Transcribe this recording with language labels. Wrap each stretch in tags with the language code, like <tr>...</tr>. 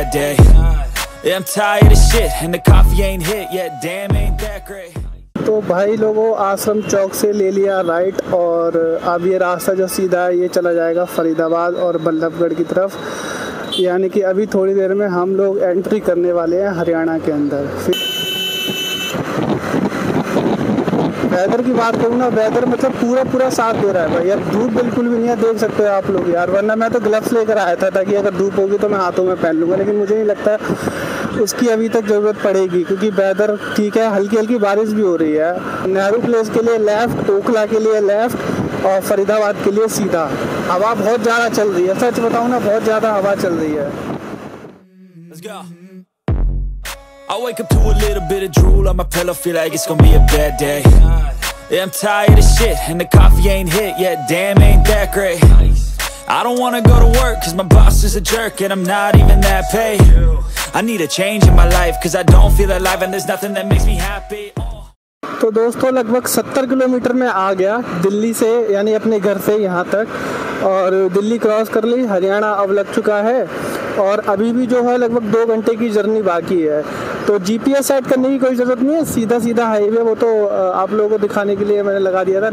<en>I'm tired of shit and the coffee ain't hit yet, damn ain't that great.</en> <hi>तो भाई लोगों, आश्रम चौक से ले लिया राइट, और अब ये रास्ता जो सीधा है ये चला जाएगा फरीदाबाद और बल्लभगढ़ की तरफ। यानी कि अभी थोड़ी देर में हम लोग एंट्री करने वाले हैं हरियाणा के अंदर। वेदर की बात करूँ ना, वेदर मतलब पूरा साथ दे रहा है भाई यार, धूप बिल्कुल भी नहीं है, देख सकते हो आप लोग यार। वरना मैं तो ग्लव्स लेकर आया था ताकि अगर धूप होगी तो मैं हाथों में पहन लूँगा, लेकिन मुझे नहीं लगता उसकी अभी तक ज़रूरत पड़ेगी क्योंकि वेदर ठीक है, हल्की हल्की बारिश भी हो रही है। नेहरू प्लेस के लिए लेफ्ट, ओखला के लिए लेफ्ट, और फरीदाबाद के लिए सीधा। हवा बहुत ज़्यादा चल रही है, सच बताऊँ ना, बहुत ज़्यादा हवा चल रही है।</hi> <en>I wake up to a little bit of drool on my pillow, feel like it's gonna be a bad day. Yeah, I'm tired of shit and the coffee ain't hit yet, damn ain't that great. I don't wanna go to work cause my boss is a jerk and I'm not even that paid. I need a change in my life cause I don't feel alive and there's nothing that makes me happy.</en> <hi>तो दोस्तों लगभग 70 kilometre में आ गया दिल्ली से यानी अपने घर से यहाँ तक, और दिल्ली क्रॉस कर ली, हरियाणा अब लग चुका है, और अभी भी जो है लगभग 2 घंटे की जर्नी बाकी है। तो GPS सेट करने की कोई ज़रूरत नहीं है, सीधा सीधा हाईवे, वो तो आप लोगों को दिखाने के लिए मैंने लगा दिया था।</hi>